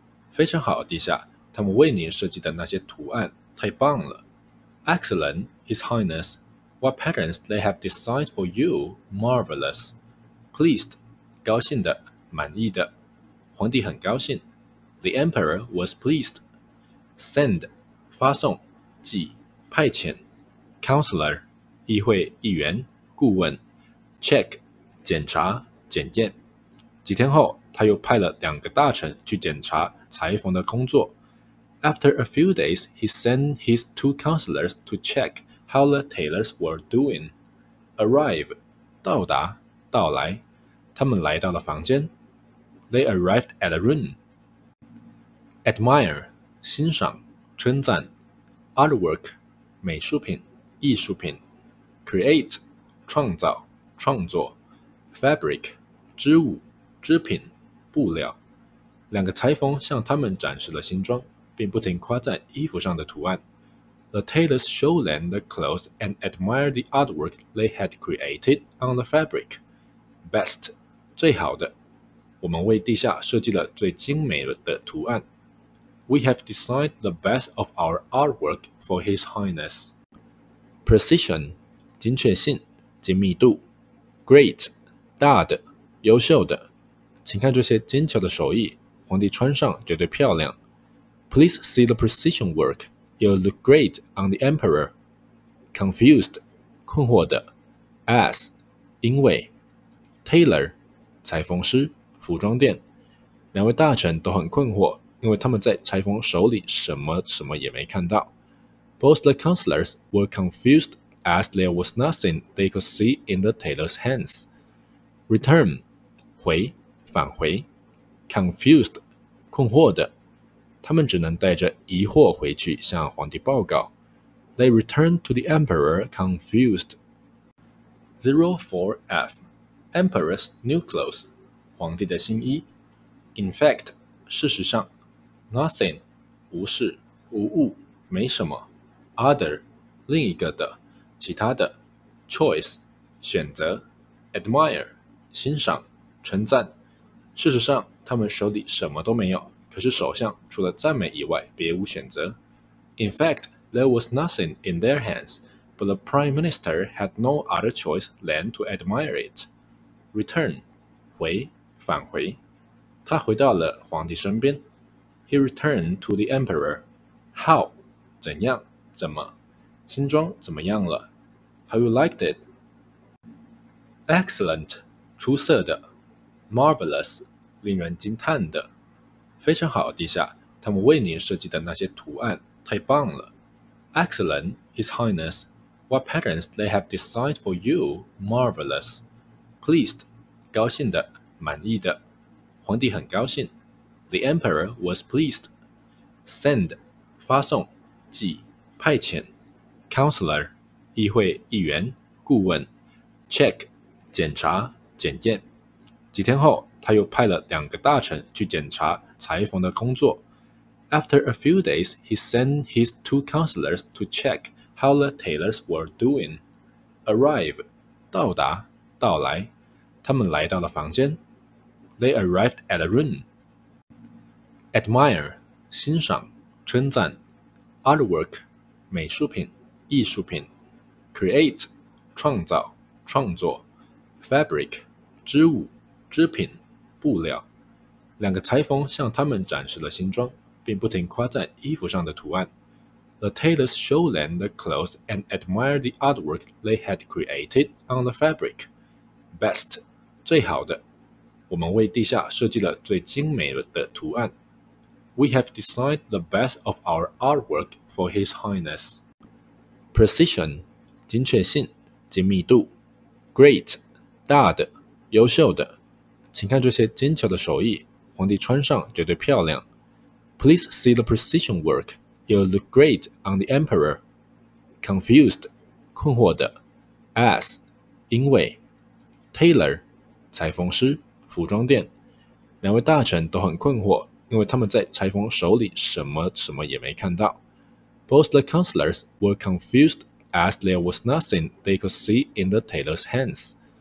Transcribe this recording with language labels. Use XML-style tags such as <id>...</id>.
<zh>非常好，陛下，他们为您设计的那些图案太棒了。</zh> <en>Excellent, His Highness. What patterns they have designed for you, marvelous.</en> <zh>Pleased, 高兴的，满意的。皇帝很高兴。</zh> <en>The Emperor was pleased. Send, 发送，寄，派遣。</en> <zh>Counselor, 议会议员，顾问。Check, 检查，检验。几天后，他又派了两个大臣去检查裁缝的工作。</zh> <en>After a few days, he sent his two counselors to check how the tailors were doing.</en> <zh>Arrive, 到达，到来。他们来到了房间。</zh> <en>They arrived at a room. Admire, 欣赏，称赞。</en> <zh>Artwork, 美术品，艺术品。Create, 创造，创作。 Fabric, 织物。织品，布料。两个裁缝向他们展示了新装，并不停夸赞衣服上的图案。</zh> <en>The tailors showed them the clothes and admired the artwork they had created on the fabric.</en> <zh>best 最好的。我们为地下设计了最精美的图案。</zh> <en>We have designed the best of our artwork for His Highness.</en> <zh>Precision 精确性、精密度。Great 大的、优秀的。请看这些精巧的手艺，皇帝穿上绝对漂亮。</zh> <en>Please see the precision work. It'll look great on the Emperor.</en> <zh>Confused 困惑的。As 因为。 Tailor 裁缝师。服装店，两位大臣都很困惑，因为他们在裁缝手里什么什么也没看到。</zh> <en>Both the counselors were confused as there was nothing they could see in the tailor's hands.</en> <zh>Return, 回，返回。Confused, 困惑的。他们只能带着疑惑回去向皇帝报告。</zh> <en>They returned to the emperor confused. 04F, Emperor's new clothes. 皇帝的新衣。</en> <zh>In fact, 事实上。Nothing, 无事、无物、没什么。 Other, 另一个的、其他的。Choice, 选择。 Admire, 欣赏、称赞。事实上，他们手里什么都没有，可是首相除了赞美以外别无选择。</zh> <en>In fact, there was nothing in their hands, but the Prime Minister had no other choice than to admire it.</en> <zh>Return, 回。返回，他回到了皇帝身边。</zh> <en>He returned to the emperor. How? 怎样？怎么？</en> <zh>新装怎么样了？</zh> <en>How you liked it? Excellent. 出色的。Marvelous.</en> <zh>令人惊叹的。非常好，陛下。他们为您设计的那些图案，太棒了。</zh> <en>Excellent, His Highness. What patterns they have designed for you? Marvelous. Pleased. 高兴的。</en> <zh>满意的，皇帝很高兴。</zh> <en>The emperor was pleased.</en> <zh>Send, 发送，寄，派遣。 Counselor, 议会议员，顾问。Check, 检查，检验。几天后，他又派了两个大臣去检查裁缝的工作。</zh> <en>After a few days, he sent his two counselors to check how the tailors were doing.</en> <zh>Arrive, 到达，到来。他们来到了房间。</zh> <en>They arrived at the room. Admire, 欣赏，称赞。</en> <zh>Artwork, 美术品，艺术品。Create, 创造，创作。 Fabric, 织物，织品，布料。两个裁缝向他们展示了新装，并不停夸赞衣服上的图案。</zh> <en>The tailors showed them the clothes and admired the artwork they had created on the fabric.</en> <zh>Best, 最好的。我们为地下设计了最精美的图案。</zh> <en>We have designed the best of our artwork for His Highness.</en> <zh>Precision, 精确性、精密度。Great, 大的、优秀的。请看这些精巧的手艺，皇帝穿上绝对漂亮。</zh> <en>Please see the precision work. It'll look great on the Emperor.</en> <zh>Confused, 困惑的。As, 因为。 Tailor, 裁缝师。服装店，两位大臣都很困惑，因为他们在裁缝手里什么什么也没看到。</zh> <en>Both the counselors were confused as there was nothing they could see in the tailor's hands.</en>